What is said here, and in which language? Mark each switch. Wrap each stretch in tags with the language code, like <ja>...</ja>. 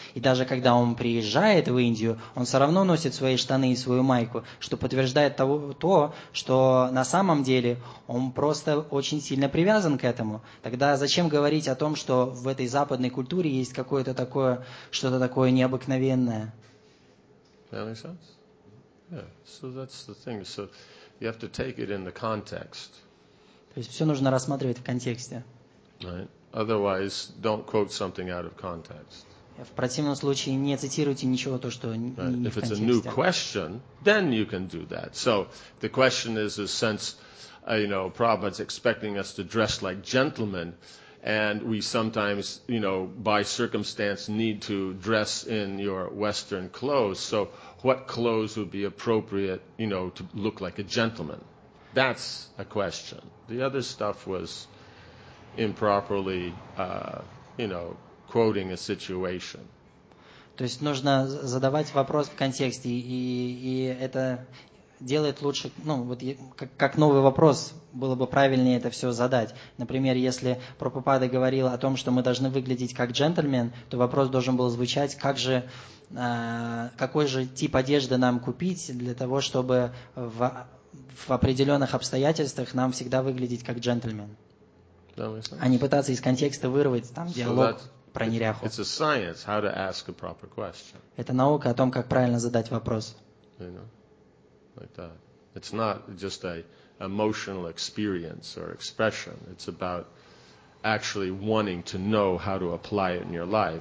<ru>И даже когда он приезжает в Индию, он все равно носит свои штаны и свою майку, что подтверждает то, что на самом деле он просто очень сильно привязан к этому. Тогда зачем говорить о том, что в этой западной культуре есть какое-то такое, что-то такое необыкновенное?</ru> <en>That makes sense? Yeah. So that's the thing. So you have to take it in the context.</en> <ru>То есть все нужно рассматривать в контексте.</ru> <en>Right. Otherwise, don't quote something out of context.</en> <ru>В противном случае не цитируйте ничего то, что не в контексте.</ru> <en>If it's a new question, then you can do that. So the question is, since you know, Prabhupada's expecting us to dress like gentlemen, and we sometimes, you know, by circumstance need to dress in your Western clothes. So what clothes would be appropriate, you know, to look like a gentleman? That's a question. The other stuff was improperly, you know, quoting a situation.</en> <ru>То есть нужно задавать вопрос в контексте, и это делает лучше, ну, вот как новый вопрос, было бы правильнее это все задать. Например, если Прабхупада говорил о том, что мы должны выглядеть как джентльмен, то вопрос должен был звучать, как же, какой же тип одежды нам купить для того, чтобы в определенных обстоятельствах нам всегда выглядеть как джентльмен. А не пытаться из контекста вырвать там диалог про неряху.</ru> <en>It's a science, how to ask a proper question.</en> <ru>Это наука о том, как правильно задать вопрос.</ru> <en>Like that. It's not just a emotional experience or expression. It's about actually wanting to know how to apply it in your life.</en>